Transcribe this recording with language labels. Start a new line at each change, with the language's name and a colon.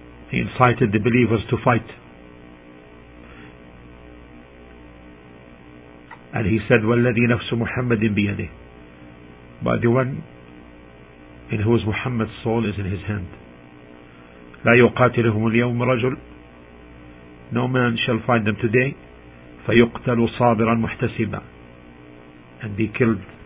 English: He incited the believers to fight.
Arabic: And he said, وَالَّذِي نَفْسُ مُحَمَّدٍ بِيَدِهِ.
English: By the one in whose Muhammad's soul is in his hand.
Arabic: لَا يُقَاتِلُهُمُ الْيَوْمُ رَجُلٌ.
English: No man shall find them today.
Arabic: فَيُقْتَلُوا صَابِرًا مُحْتَسِبًا.
English: And be killed.